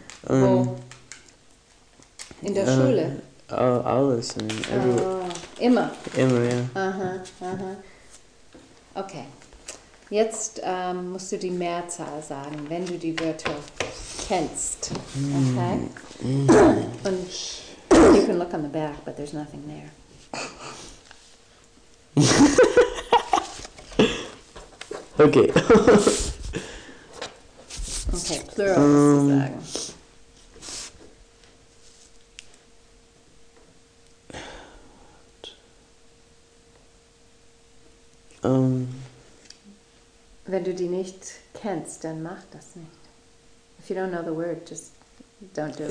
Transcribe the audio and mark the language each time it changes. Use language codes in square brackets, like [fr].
[de] Und in der Schule? Alles. In Immer? Immer, ja. Aha, aha. Okay. Jetzt musst du die Mehrzahl sagen, wenn du die Wörter kennst. Okay? [en] Mm. Und you can look on the back, but there's nothing there. [de] Okay. Okay, plural musst du sagen. Wenn du die nicht kennst, dann mach das nicht. [en] If you don't know the word, just don't do it.